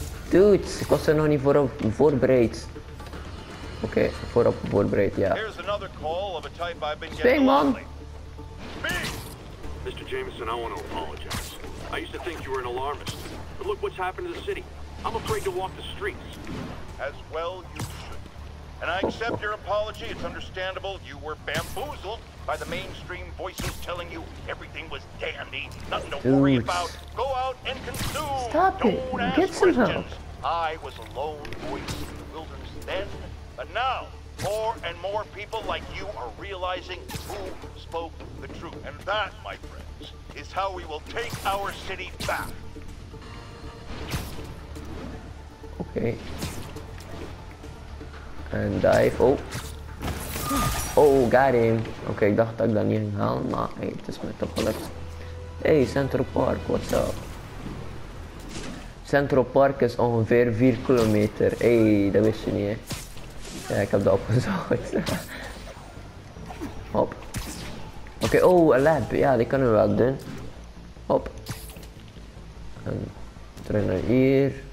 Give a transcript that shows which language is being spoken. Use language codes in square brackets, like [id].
[nl] Dude, ik was er nog niet voor voorbereid. Oké, okay, voorop voorbereid, ja. [en] Here's another call of a type I've been getting. Bing! Mr. Jameson, I want to apologize. I used to think you were an alarmist, but look what's happened to the city. I'm afraid to walk the streets. As well you should. And I accept your apology. It's understandable you were bamboozled by the mainstream voices telling you everything was dandy, nothing to worry about. Go out and consume. Stop it. Get some help. I was a lone voice in the wilderness then, but now more and more people like you are realizing who spoke the truth. And that, my friends, is how we will take our city back. Okay. And dive. Oh. Oh, got him. [nl] Okay, ik dacht dat ik dat niet ging halen, maar hey, het is me toch gelukt. [en] Hey, Central Park, what's up? [nl] Central Park is ongeveer 4 kilometer. Hey, dat wist je niet, hè? Ja, ik heb dat opgezocht. Hop. Oké, okay, oh, een lamp. Ja, die kunnen we wel doen. Hop. En terug naar hier.